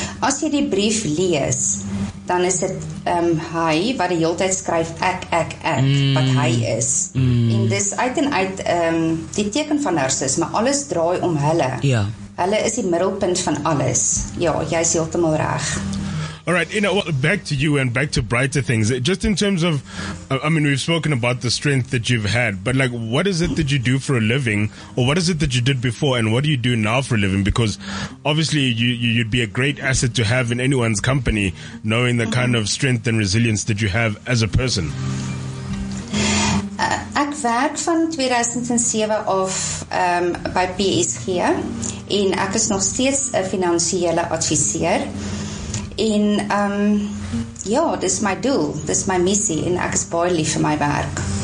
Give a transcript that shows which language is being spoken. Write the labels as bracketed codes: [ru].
[af] As jy die brief lees, dan is dit hy wat die hele tijd skryf ek, wat hy is. Mm. En dis uit en uit die teken van narcisme, alles draai om hulle. Ja. Hulle is die middelpunt van alles. Ja, jy is heeltemal reg. [en] Alright, you know, well, back to you and back to brighter things. Just in terms of, I mean, we've spoken about the strength that you've had, but like, what is it that you do for a living, or what is it that you did before, and what do you do now for a living? Because obviously you'd be a great asset to have in anyone's company, knowing the kind of strength and resilience that you have as a person. [af] Ek werk van 2007 af by PSG, en ek is nog steeds 'n finansiële adviseur. En ja, dit is my doel, dit is my missie en ek is baie lief vir my werk.